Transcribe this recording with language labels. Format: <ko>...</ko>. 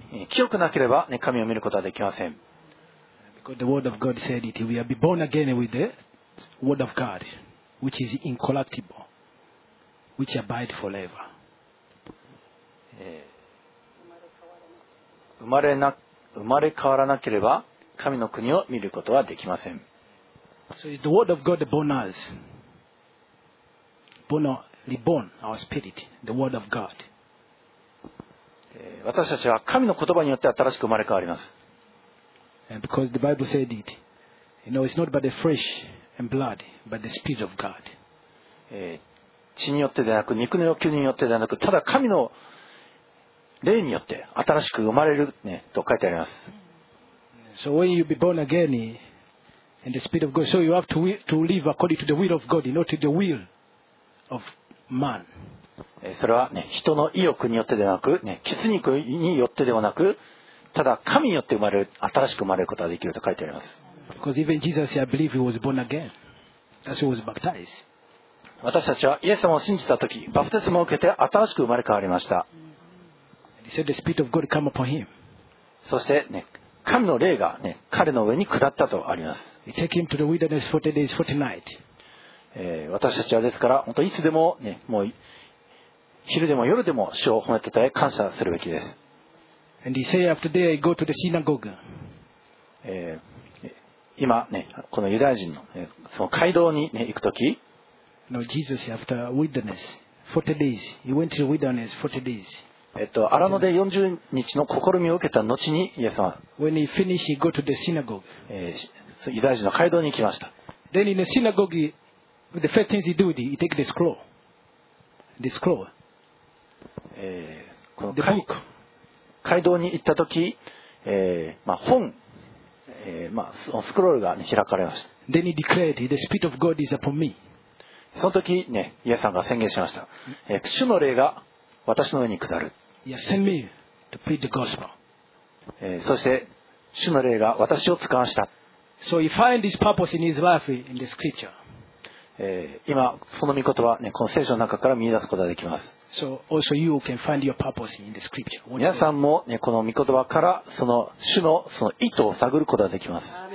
<ja>清くなければ、ね、神を見ることはできません。</ja> <en>Because the word of God said it, we are be born again with the word of God, which is incorruptible, which abides forever.</en> <ja>生まれ変わらなければ神の国を見ることはできません。</ja> <en>So is the word of God born us, born reborn our spirit, the word of God.</en> <ja>私たちは神の言葉によって新しく生まれ変わります。</ja> <en>Because the Bible said it. You know, it's not by the flesh and blood, but the spirit of God.</en> <ja>血によってではなく、肉の欲求によってではなく、ただ神の霊によって新しく生まれる、ね、と書いてあります。</ja> <en>So when you be born again in the spirit of God, so you have to live according to the will of God, not to the will of man.</en> <ja>それはね、人の意欲によってではなく、ね、血肉によってではなく、ただ神によって生まれる、新しく生まれることができると書いてあります。</ja> <en>Because even Jesus, I believe he was born again. That's why he was baptized.</en> <ja>私たちはイエス様を信じたとき、バプテスマを受けて新しく生まれ変わりました。</ja> <en>He said the spirit of God came upon him.</en> <ja>そして、ね、神の霊が、ね、彼の上に下ったとあります。</ja> <en>He took him to the wilderness 40 days, 40 nights.</en> <ja>私たちはですから、本当いつでも、ね、もう昼でも夜でも主を褒めたたえ感謝するべきです。</ja> <en>And he said, after that, I go to the synagogue.</en> <ja>今、ね、このユダヤ人 の、ね、その街道に、ね、行くとき、</ja> <en>No, Jesus, after wilderness, 40 days. He went to the wilderness 40 days.</en> <ja>アラノで40日の試みを受けた後に、イエス様、</ja> <en>When he finished, he go to the synagogue. ユダヤ人の街道に行きました。 Then in the synagogue, the first things he do, he take the scroll. The scroll.</en> <ja>この街道に行った時、まあ、本、まあ、スクロールが、ね、開かれました。</ja> <en>Then he declared, "The Spirit of God is upon me."</en> <ja>その時、ね、イエスさんが宣言しました。主の霊が私の上に下る。</ja> <en>He sent me to preach the gospel.</en> <ja>そして主の霊が私を使わした。</ja> <en>So he finds this purpose in his life in the scripture.</en> <ja>今その御言葉、ね、この聖書の中から見出すことができます。</ja> <en>So also you can find your purpose in the scripture.</en> <ja>皆さんも、ね、この御言葉からその主 の、 その意図を探ることができます。</ja>